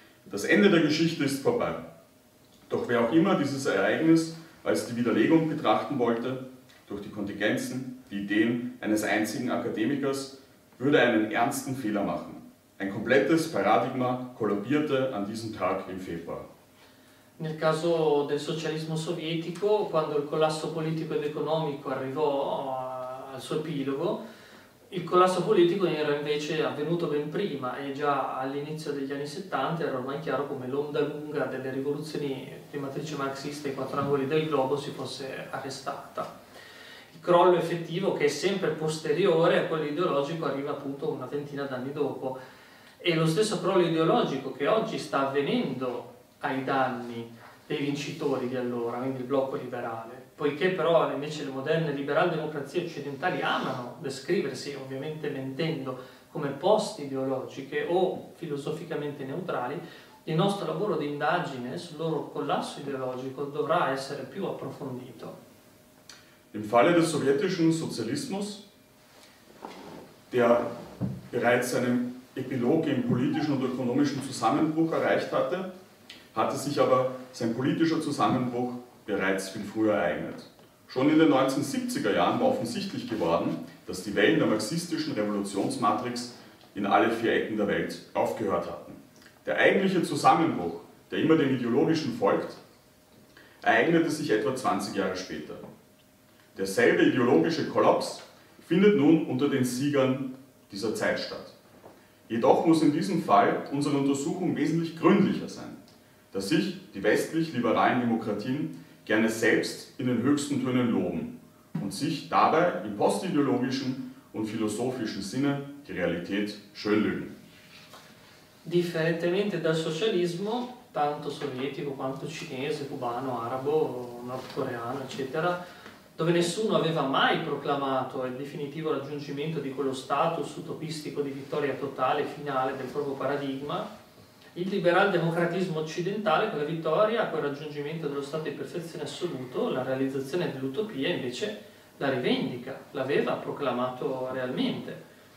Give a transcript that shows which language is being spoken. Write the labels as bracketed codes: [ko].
[de] Das Ende der Geschichte ist vorbei. Doch wer auch immer dieses Ereignis als die Widerlegung betrachten wollte, durch die Kontingenzen, die Ideen eines einzigen Akademikers, würde einen ernsten Fehler machen. Ein komplettes Paradigma kollabierte an diesem Tag im Februar. [it] Nel caso del socialismo sovietico, quando il collasso politico ed economico arrivò al suo epilogo, il collasso politico era invece avvenuto ben prima e già all'inizio degli anni 70 era ormai chiaro come l'onda lunga delle rivoluzioni di matrice marxista ai quattro angoli del globo si fosse arrestata. Il crollo effettivo, che è sempre posteriore a quello ideologico, arriva appunto una ventina d'anni dopo. E lo stesso crollo ideologico che oggi sta avvenendo ai danni dei vincitori di allora, quindi il blocco liberale, poiché però invece le moderne liberal democrazie occidentali amano descriversi, ovviamente mentendo, come post-ideologiche o filosoficamente neutrali, il nostro lavoro di indagine sul loro collasso ideologico dovrà essere più approfondito. [de] Im Falle des sovietischen Sozialismus, der bereits seinen Epilog im politischen und ökonomischen Zusammenbruch erreicht hatte, hatte sich aber sein politischer Zusammenbruch bereits viel früher ereignet. Schon in den 1970er Jahren war offensichtlich geworden, dass die Wellen der marxistischen Revolutionsmatrix in alle vier Ecken der Welt aufgehört hatten. Der eigentliche Zusammenbruch, der immer den Ideologischen folgt, ereignete sich etwa 20 Jahre später. Derselbe ideologische Kollaps findet nun unter den Siegern dieser Zeit statt. Jedoch muss in diesem Fall unsere Untersuchung wesentlich gründlicher sein, da sich die westlich-liberalen Demokratien gerne selbst in den höchsten Tönen loben und sich dabei im postideologischen und philosophischen Sinne die Realität schönlügen. [it] Differentemente dal socialismo, tanto sovietico quanto cinese, cubano, arabo, nordcoreano, eccetera, dove nessuno aveva mai proclamato il definitivo raggiungimento di quello status utopistico di vittoria totale finale del proprio paradigma, il liberal democratismo occidentale, quella vittoria, quel raggiungimento dello stato di perfezione assoluto, la realizzazione dell'utopia, invece la rivendica, l'aveva proclamato realmente.